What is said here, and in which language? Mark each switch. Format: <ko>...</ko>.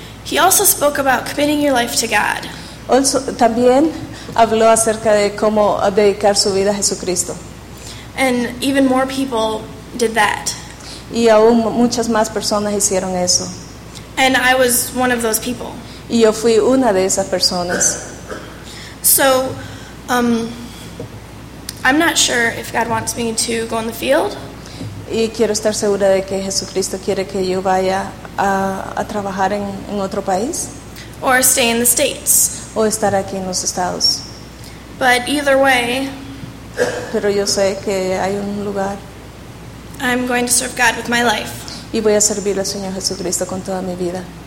<en>He also spoke about committing your life to God.</en> <es>Also, también habló acerca de cómo dedicar su vida a Jesucristo.</es> <en>And even more people did that.</en> <es>Y aún muchas más personas hicieron eso.</es> <en>And I was one of those people.</en> <es>Y yo fui una de esas personas.</es> <en>So, I'm not sure if God wants me to go in the field.</en> <es>Y quiero estar segura de que Jesucristo quiere que yo vaya a trabajar en otro país.</es> <en>Or stay in the States.</en> <es>O estar aquí en los Estados.</es> <en>But either way,</en> <es>pero yo sé que hay un lugar.</es> <en>I'm going to serve God with my life.</en> <es>Y voy a servir al Señor Jesucristo con toda mi vida.</es>